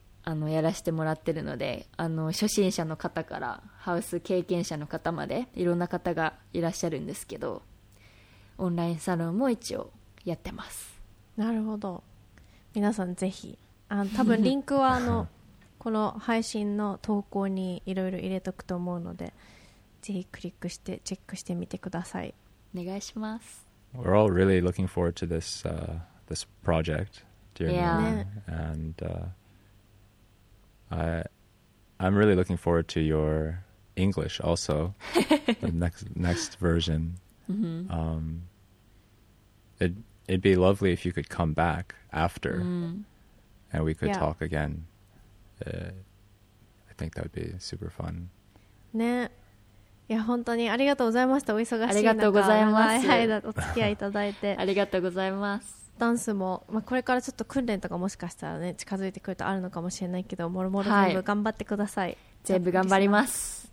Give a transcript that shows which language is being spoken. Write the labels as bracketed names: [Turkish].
[Japanese] あのやらせてもらってるので、あの初心者の方からハウス経験者の方までいろんな方がいらっしゃるんですけど、オンラインサロンも一応やってます。なるほど、皆さんぜひ、あの多分リンクはあのこの配信の投稿にいろいろ入れとくと思うので、ぜひクリックしてチェックしてみてください。お願いします。 [English] We're all really looking forward to this, this project during the year. And, I'm really looking forward to your English also, the next version. Mm-hmm. It'd be lovely if you could come back after and we could talk again. I think that would be super fun. [Japanese] ね。いや、本当にありがとうございました。お忙しい中、ありがとうございます。お付き合いいただいて。ありがとうございます。ダンスも、まあ、これからちょっと訓練とかもしかしたらね、近づいてくるとあるのかもしれないけど、もろもろ全部頑張ってください。はい、全部頑張ります。